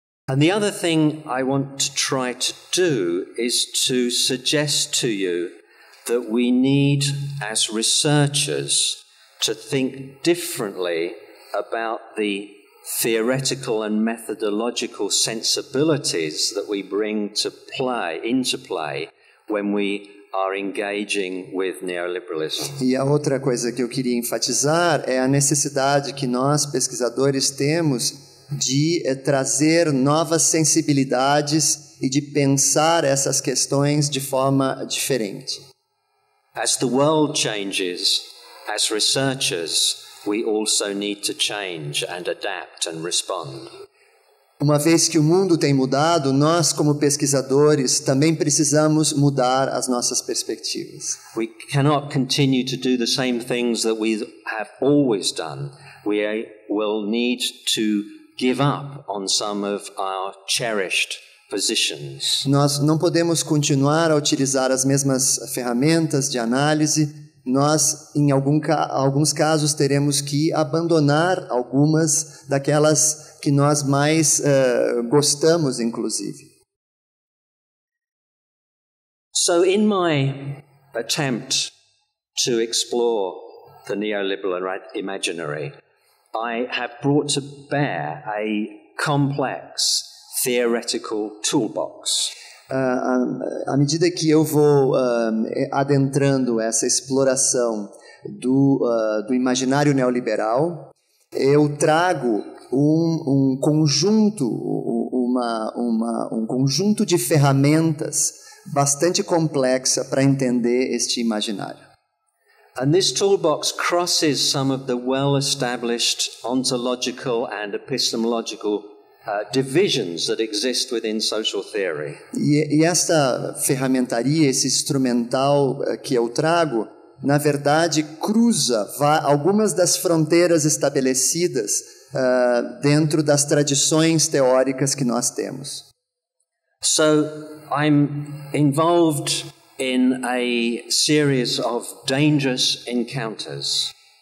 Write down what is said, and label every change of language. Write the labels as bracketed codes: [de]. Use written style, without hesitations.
[en] And the other thing I want to try to do is to suggest to you that we need, as researchers, to think differently about the theoretical and methodological sensibilities that we bring into play. When we are engaging with neoliberalism. [pt] E a outra coisa que eu queria enfatizar é a necessidade que nós, pesquisadores, temos de trazer novas sensibilidades e de pensar essas questões de forma diferente. [en] As the world changes, as researchers, we also need to change and adapt and respond. [pt] Uma vez que o mundo tem mudado, nós, como pesquisadores, também precisamos mudar as nossas perspectivas. [en] We cannot continue to do the same things that we have always done. We will need to give up on some of our cherished positions. [pt] Nós não podemos continuar a utilizar as mesmas ferramentas de análise. Nós, em alguns casos, teremos que abandonar algumas daquelas que nós mais gostamos, inclusive. [en] So, in my attempt to explore the neoliberal imaginary, I have brought to bear a complex theoretical toolbox. [pt] À medida que eu vou adentrando essa exploração do imaginário neoliberal, eu trago um conjunto de ferramentas bastante complexa para entender este imaginário. [en] And this toolbox crosses some of the well-established ontological and epistemological divisions that exist within social theory. [pt] E esta ferramentaria, esse instrumental que eu trago, na verdade cruza algumas das fronteiras estabelecidas dentro das tradições teóricas que nós temos. [en] So, I'm involved in a series of dangerous encounters.